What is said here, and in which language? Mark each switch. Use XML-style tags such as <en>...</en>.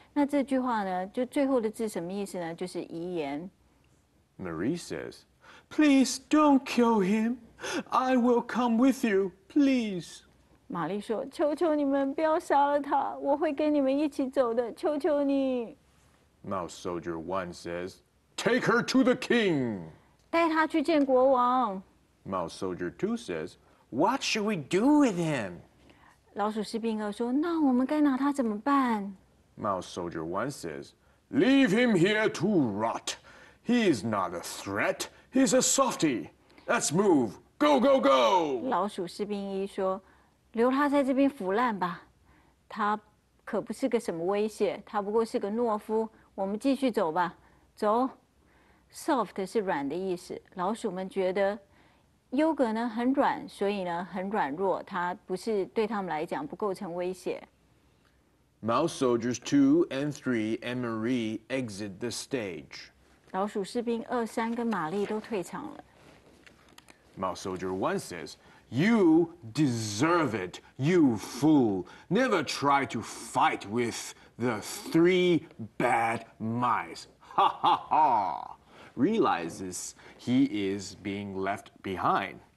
<zh>那这句话呢，就最后的字什么意思呢？就是遗言。</zh> <en>Marie says, "Please don't kill him. I will come with you, please."</en> <zh>玛丽说：“求求你们不要杀了他，我会跟你们一起走的，求求你。”</zh> <en>Mouse Soldier One says, "Take her to the king."</en> <zh>带他去见国王。</zh> <en>Mouse Soldier Two says, "What should we do with him?"</en> <zh>老鼠士兵二说：“那我们该拿他怎么办？”</zh> <en>Mouse Soldier One says, "Leave him here to rot. He is not a threat. He's a softy. Let's move. Go, go, go!"</en> <zh>老鼠士兵一说：“留他在这边腐烂吧，他可不是个什么威胁，他不过是个懦夫。我们继续走吧，走。Soft 是软的意思。老鼠们觉得。” 优格呢很软，所以呢很软弱，它不是对他们来讲不构成威胁。</zh> <en>Mouse soldiers two and three and Marie exit the stage.</en> <zh>老鼠士兵二三跟玛丽都退场了。</zh> <en>Mouse soldier one says, "You deserve it, you fool. Never try to fight with the three bad mice." Ha ha ha. Realizes he is being left behind.</en>